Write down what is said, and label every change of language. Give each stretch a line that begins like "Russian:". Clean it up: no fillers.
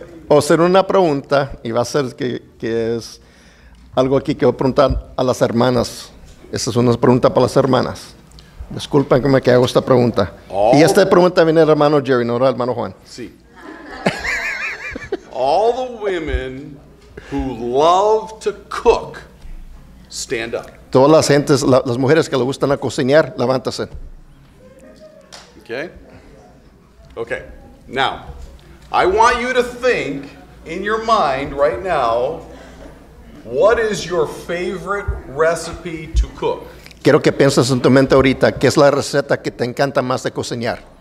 Spanish: O ser una pregunta, y va a ser que es algo aquí que voy a preguntar a las hermanas. Esta es una pregunta para las hermanas. Disculpen que hago esta pregunta.
English: All
Spanish: y esta pregunta viene del hermano Jerry, no del hermano Juan. Sí.
English: All the women who love to cook, stand up.
Spanish: Todas las gentes, las mujeres que le gustan a cocinar, levántase.
English: Okay. Okay. Now, I want you to think in your mind right now, what is your favorite recipe to cook?
Spanish: Quiero que pienses en tu mente ahorita, ¿qué es la receta que te encanta más de cocinar?